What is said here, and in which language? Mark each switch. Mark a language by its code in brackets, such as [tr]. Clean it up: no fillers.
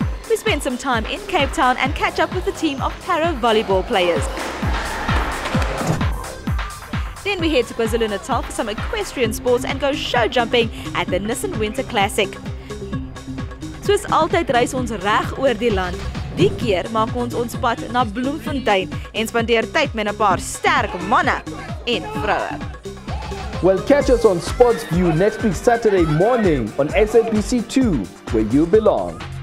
[en] We spend some time in Cape Town and catch up with a team of para volleyball players. Then we head to KwaZulu-Natal for some equestrian sports and go show jumping at the Nissan Winter Classic. [af] Soos altyd reis ons reg oor die land. Die keer maak ons ons pad na Bloemfontein en spandeer tyd met 'n paar sterk manne en vroue. [en] Well, catch us on Sportsview next week Saturday morning on SABC 2, where you belong.